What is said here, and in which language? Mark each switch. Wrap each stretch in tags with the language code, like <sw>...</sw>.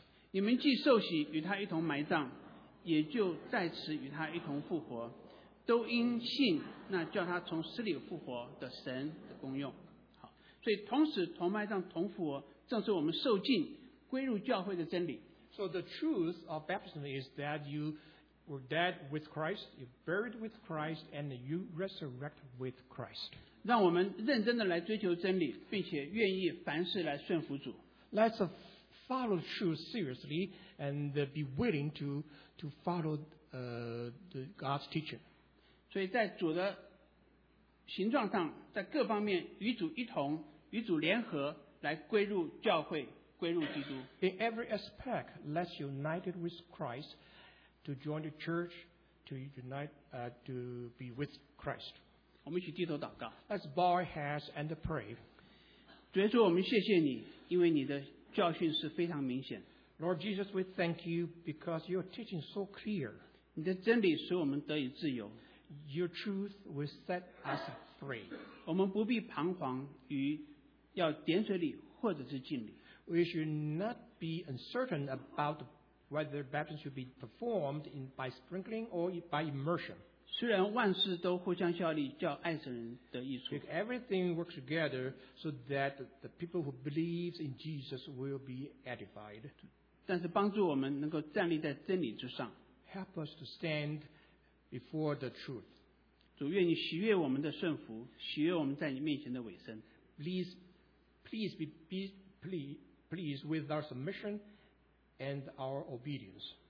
<zh>你们既受洗与他一同埋葬，也就在此与他一同复活，都因信那叫他从死里复活的神的功用。所以同死同埋葬同复活，正是我们受浸归入教会的真理。</zh> <en>So the truth of baptism is that you were dead with Christ, you buried with Christ, and you resurrect with Christ.</en> <zh>让我们认真的来追求真理，并且愿意凡事来顺服主。</zh> <en>Let's follow the truth seriously and be willing to follow God's teaching.</en> <zh>所以在主的形状上，在各方面与主一同，与主联合，来归入教会，归入基督。</zh> <en>In every aspect, let's united with Christ to join the church, to unite, to be with Christ.</en> <zh>我们一起低头祷告。</zh> <en>Let's bow our heads and pray.</en> <zh>主耶稣，我们谢谢你，因为你的教训是非常明显。</zh> <en>Lord Jesus, we thank you because your teaching is so clear.</en> <zh>你的真理使我们得以自由。</zh> <en>Your truth will set us free.</en> <zh>我们不必彷徨于要点水礼或者是浸礼。</zh> <en>We should not be uncertain about whether baptism should be performed in, by sprinkling or by immersion.</en> <zh>虽然万事都互相效力，叫爱神人得益处。</zh> <en>Because everything works together so that the people who believe in Jesus will be edified.</en> <zh>但是帮助我们能够站立在真理之上。</zh> <en>Help us to stand. Before the truth.</en> <zh>主，愿你喜悦我们的顺服，喜悦我们在你面前的委身。</zh> <en>Please be pleased with our submission and our obedience.</en>